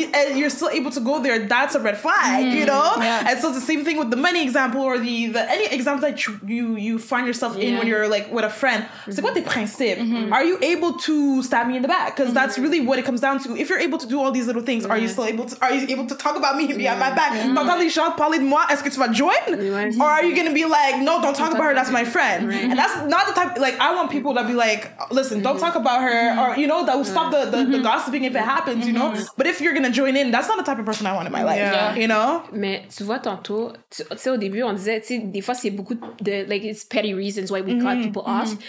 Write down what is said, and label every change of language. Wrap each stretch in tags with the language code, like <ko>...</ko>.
<en>And you're still able to go there, that's a red flag, you know? Yeah. And so it's the same thing with the money example or the any example that you find yourself in when you're, like, with a friend.</en> <fr>C'est quoi tes principes?</fr> <en>Are you able to stab me in the back? Because that's really what it comes down to. If you're able to do all these little things, are you still able to, are you able to talk about me and be at my back?</en> <fr>Quand les gens parlent de moi, est-ce que tu vas join?</fr> <en>Or are you going to be like, no, don't talk about her, that's my friend. And that's not the type, like, I want people to be like, listen, don't talk about her, or, you know, that will stop the gossiping if it happens, you know? But if you're going to join in, that's not the type of person I want in my life, you know?</en> <fr>Mais tu vois, tantôt, tu sais, au début, on disait, tu sais, des fois, c'est beaucoup de, like,</fr> <en>it's petty reasons why we cut people off.</en>